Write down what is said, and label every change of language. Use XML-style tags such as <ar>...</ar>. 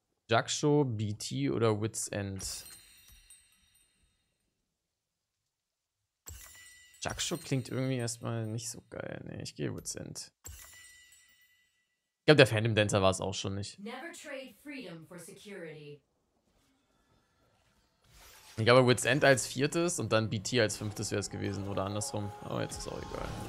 <de>Juxo, BT oder Wits End? Juxo klingt irgendwie erstmal nicht so geil. Nee, ich gehe Wits End. Ich glaube, der Phantom Dancer war es auch schon nicht.</de> <en>Never trade freedom for security.</en> <de>Ich glaube, Wits End als viertes und dann BT als fünftes wäre es gewesen oder andersrum. Oh, jetzt ist auch egal.</de>